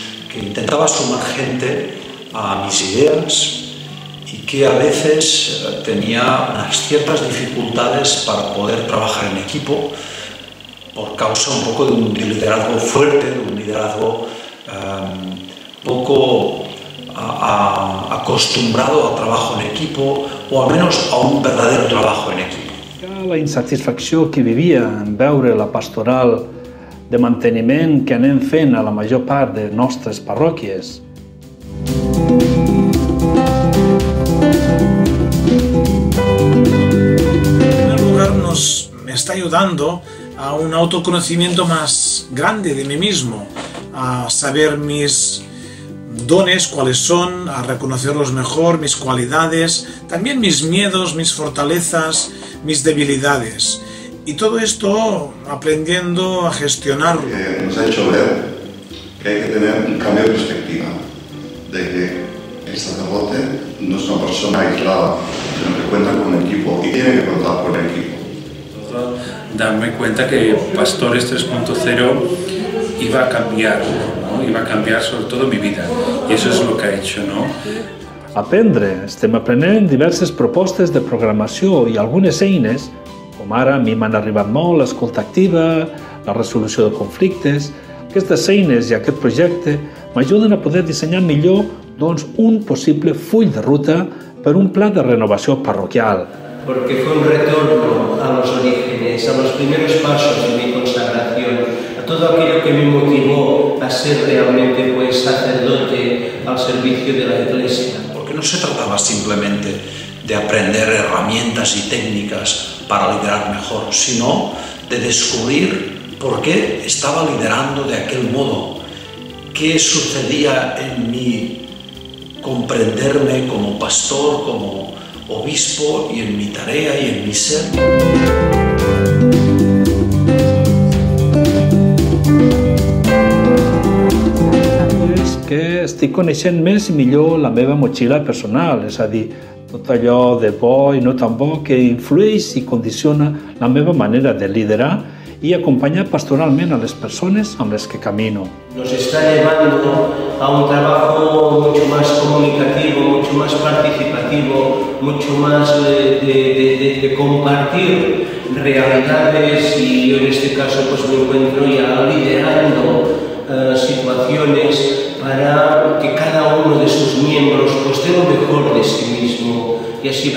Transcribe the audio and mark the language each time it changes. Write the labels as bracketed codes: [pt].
[es] Que intentaba sumar gente a mis ideas y que a veces tenía unas ciertas dificultades para poder trabajar en equipo por causa un poco de un liderazgo fuerte, de un liderazgo poco acostumbrado a trabajo en equipo, o al menos a un verdadero trabajo en equipo. [ca] La insatisfacció que vivia en veure la pastoral de manteniment que anem fent a la major part de nostres parròquies. [es] menos me está ayudando a un autoconocimiento más grande de mí mismo, a saber mis dones, cuáles son, a reconocerlos mejor, mis cualidades, también mis miedos, mis fortalezas, mis debilidades. Y todo esto aprendiendo a gestionarlo. Nos ha hecho ver que hay que tener un cambio de perspectiva, de que el sacerdote no es una persona aislada, sino que cuenta con un equipo y tiene que contar con el equipo. Darme cuenta que Pastores 3.0 iba a cambiar, ¿no? Iba a cambiar sobre todo mi vida. Y eso es lo que ha hecho, ¿no? [ca] Aprendre. Estem aprenent diverses propostes de programació i algunes eines, com ara a mi m'han arribat molt l'escolta activa, la resolució de conflictes. Aquestes eines i aquest projecte m'ajuden a poder dissenyar millor doncs, un possible full de ruta per un pla de renovació parroquial. [es] Porque fue un retorno a los orígenes, a los primeros pasos de mi consagración, a todo aquello que me motivó a ser realmente pues sacerdote al servicio de la Iglesia. Porque no se trataba simplemente de aprender herramientas y técnicas para liderar mejor, sino de descubrir por qué estaba liderando de aquel modo, qué sucedía en mi comprenderme como pastor, como obispo y en mi tarea y en mi ser. [ca] És que estic coneixent més i millor la meva motxilla personal, és a dir, tot allò de bo i no tan bo que influeix i condiciona la meva manera de liderar i acompanyar pastoralment a les persones amb les que camino. [es] Nos está llevando a un trabajo mucho más comunicativo, mucho más participativo, mucho más de compartir realidades y yo en este caso pues me encuentro ya liderando situaciones para que cada uno de sus miembros pues dé lo mejor de sí mismo y así